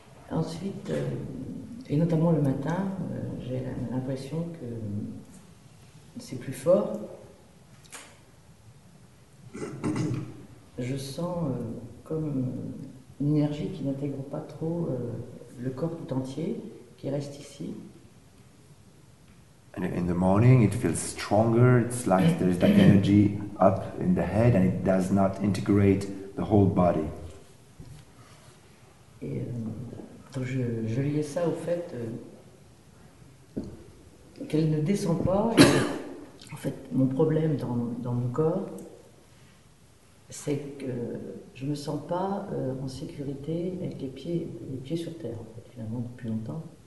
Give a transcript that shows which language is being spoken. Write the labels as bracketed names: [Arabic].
[French] Ensuite, et notamment le matin, j'ai l'impression que c'est plus fort. Je sens comme une énergie qui n'intègre pas trop le corps tout entier, qui reste ici. [English] And in the morning, it feels stronger. It's like there's that energy up in the head and it does not integrate the whole body. [French] Et, donc je liais ça au fait qu'elle ne descend pas. En fait, mon problème dans mon corps, c'est que je ne me sens pas en sécurité avec les pieds sur terre, en fait, finalement, depuis longtemps.